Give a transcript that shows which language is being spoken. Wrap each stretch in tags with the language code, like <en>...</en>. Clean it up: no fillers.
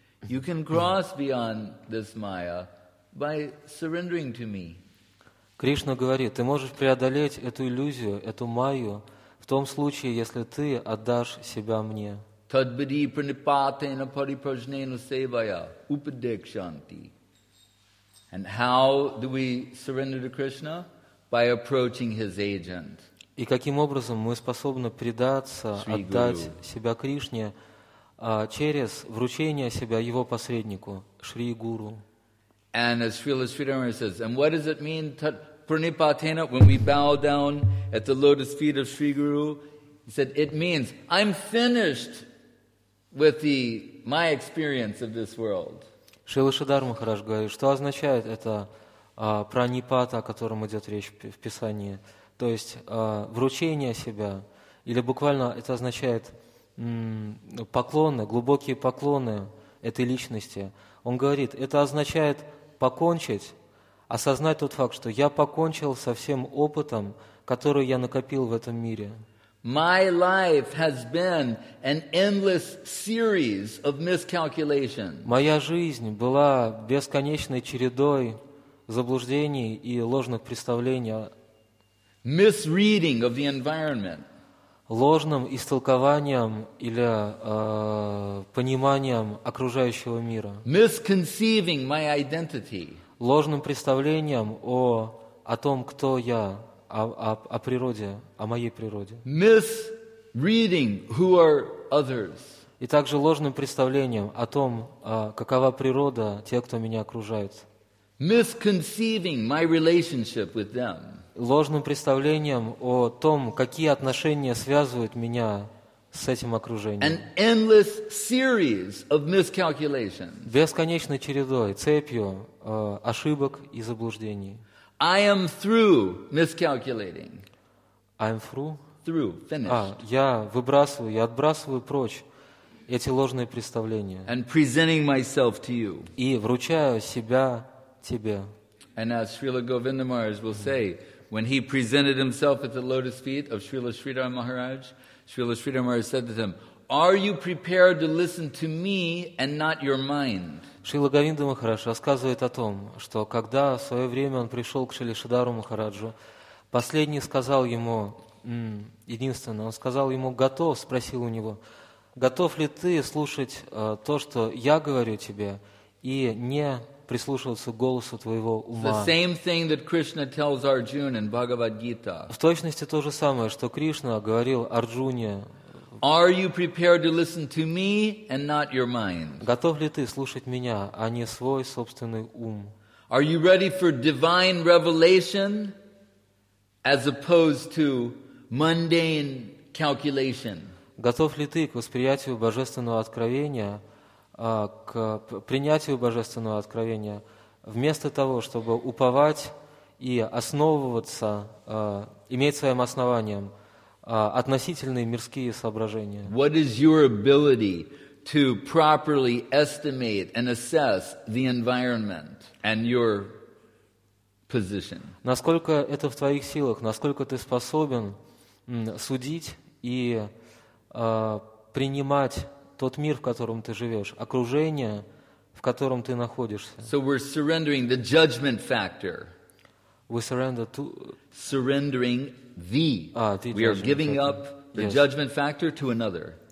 <en>You can cross beyond this maya by surrendering to me.</en> <ru>Кришна говорит, ты можешь преодолеть эту иллюзию, эту майю, в том случае, если ты отдашь себя мне.</ru> <sa>Тадбади пранипатена парипражнена севая упадекшанти.</sa> <en>And how do we surrender to Krishna? By approaching his agent.</en> <ru>И каким образом мы способны предаться, отдать себя Кришне через вручение себя его посреднику, Шри Гуру.</ru> <en>And as Srila Sridharma says, and what does it mean Pranipatena, when we bow down at the lotus feet of Sri Guru, he said, it means, I'm finished with my experience of this world.</en> <ru>Шрила Шридхар Махарадж говорит, что означает это пранипата, о котором идет речь в Писании, то есть вручение себя, или буквально это означает поклоны, глубокие поклоны этой личности. Он говорит, это означает покончить осознать тот факт, что я покончил со всем опытом, который я накопил в этом мире.</ru> <en>My life has been an endless series of miscalculations.</en> <ru>Моя жизнь была бесконечной чередой заблуждений и ложных представлений.</ru> <en>Misreading of the environment.</en> <ru>Ложным истолкованием или пониманием окружающего мира.</ru> <en>Misconceiving my identity.</en> <ru>Ложным представлением о том, кто я. О природе, о моей природе.</ru> <en>Misreading who are others.</en> <ru>И также ложным представлением о том, какова природа тех, кто меня окружает.</ru> <en>Misconceiving my relationship with them.</en> <ru>Ложным представлением о том, какие отношения связывают меня с этим окружением.</ru> <en>An endless series of miscalculations.</en> <ru>Бесконечной чередой, цепью ошибок и заблуждений.</ru> <en>I am through miscalculating. I'm through. Through. Finished.</en> <ru>Я выбрасываю, я отбрасываю прочь эти ложные представления.</ru> <en>And presenting myself to you.</en> <ru>И вручаю себя тебе.</ru> <en>And as Srila Govinda Maharaj will say, when he presented himself at the lotus feet of Srila Sridhar Maharaj, Srila Sridhar Maharaj said to him, "Are you prepared to listen to me and not your mind?"</en> <ru>Шрила Говинда Махарадж рассказывает о том, что когда в свое время он пришел к Шрили Шридхару Махараджу, последний сказал ему, единственное, он сказал ему, готов, спросил у него, готов ли ты слушать то, что я говорю тебе, и не прислушиваться к голосу твоего ума.</ru> <en>The same thing that Krishna tells Arjuna in Bhagavad Gita.</en> <ru>В точности то же самое, что Кришна говорил Арджуне.</ru> <en>Are you prepared to listen to me and not your mind?</en> <ru>Готов ли ты слушать меня, а не свой собственный ум?</ru> <en>Are you ready for divine revelation as opposed to mundane calculation?</en> <ru>Готов ли ты к восприятию божественного откровения, к принятию божественного откровения вместо того, чтобы уповать и основываться, иметь своим основанием относительные мирские соображения.</ru> <en>What is your ability to properly estimate and assess the environment and your position?</en> <ru>Насколько это в твоих силах, насколько ты способен судить и принимать тот мир, в котором ты живешь, окружение, в котором ты находишься.</ru> <en>So we're surrendering the judgment factor. We surrender to surrendering the. We are giving up the judgment factor to another.</en>